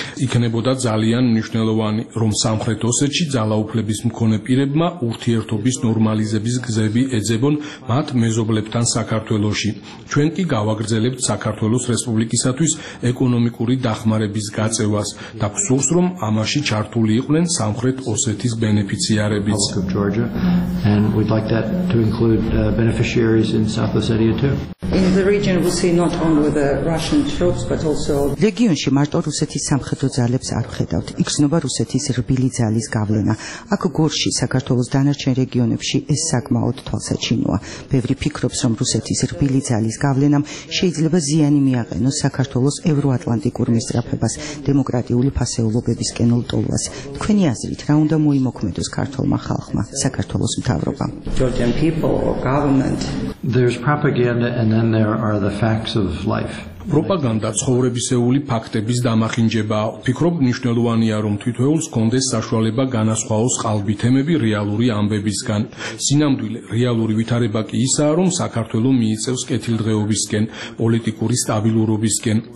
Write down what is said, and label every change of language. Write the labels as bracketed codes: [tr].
[ka] იქნებოდა ძალიან მნიშვნელოვანი, რომ სამხრეთ ოსეთში ძალაუფლების მქონე პირებმა ურთიერთობის ნორმალიზების გზები ეძებონ მათ მეზობლებთან საქართველოში. ჩვენ კი გავაგრძელებთ საქართველოს რესპუბლიკისათვის ეკონომიკური დახმარების გაწევას და ვსურს, რომ ამაში ჩართული იყვნენ სამხრეთ ოსეთის ბენეფიციარებიც. [en] And we'd like that to include beneficiaries in South Ossetia too. In the region we see not only the Russian troops but also [ka] რეგიონში მარტო რუსეთის სამხედრო ძალებს არ ხედავთ. იქცნობა რუსეთის რბილი ძალის გავლენა. აქ გორში საქართველოს დანარჩენ რეგიონებში ეს საკმაოდ თვალსაჩინოა. ბევრი ფიქრობს, რომ რუსეთის რბილი ძალის გავლენამ შეიძლება ზიანი მიაყენოს საქართველოს ევროატლანტიკურ მისწრაფებას, დემოკრატიული ფასეულობების კენოლტოლას. თქვენი აზრით, რა უნდა მოიმოქმედოს ქართულმა ხალხმა, საქართველოს მთავრობამ? [en] Georgian people or government. There's propaganda and then there are the facts of life. [ka] Propaganda ცხოვრებისეული ფაქტების დამახინჯებაა. ფიქრობ, მნიშვნელოვანია, რომ თითოეულს კონდეს საშუალება განასხვაოს ყალბი თემები რეალური ამბებისგან. სინამდვილე, რეალური ვითარება კი ისაა, რომ საქართველო მიიწევს კეთილდღეობისკენ, პოლიტიკური სტაბილურობისკენ.